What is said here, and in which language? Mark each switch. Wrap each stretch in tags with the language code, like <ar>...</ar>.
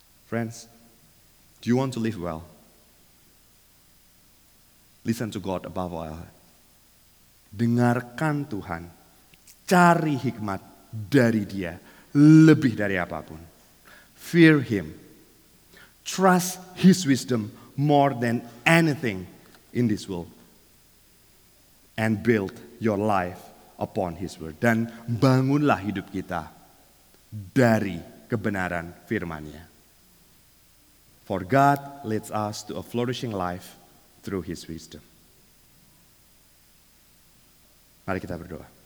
<en>Friends, do you want to live well? Listen to God above all.</en> <id>Dengarkan Tuhan, cari hikmat dari Dia lebih dari apapun.</id> <en>fear him. Trust his wisdom more than anything in this world. And build your life upon his word.</en> <id>Dan bangunlah hidup kita dari kebenaran firman-Nya.</id> <en>For God leads us to a flourishing life through his wisdom.</en> <id>Mari kita berdoa.</id>